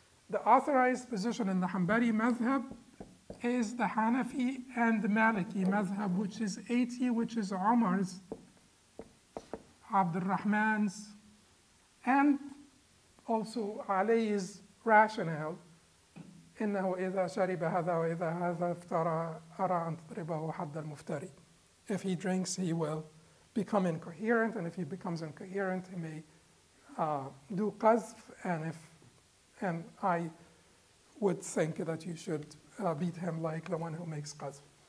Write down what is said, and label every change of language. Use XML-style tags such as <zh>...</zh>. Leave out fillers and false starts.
<en>The authorized position in the Hanbali madhab is the Hanafi and the Maliki madhab, which is 80, which is Umar's, Abd al-Rahman's, and also Ali's rationale.</en> <ar>إِنَّهُ إِذَا شَرِبَ هَذَا وَإِذَا هَذَا افْتَرَى أَرَى أَنْ تَضْرِبَهُ حَدَّ الْمُفْتَرِي.</ar> <en>If he drinks, he will become incoherent, and if he becomes incoherent, he may do qazf, and I would think that you should beat him like the one who makes qazf.</en>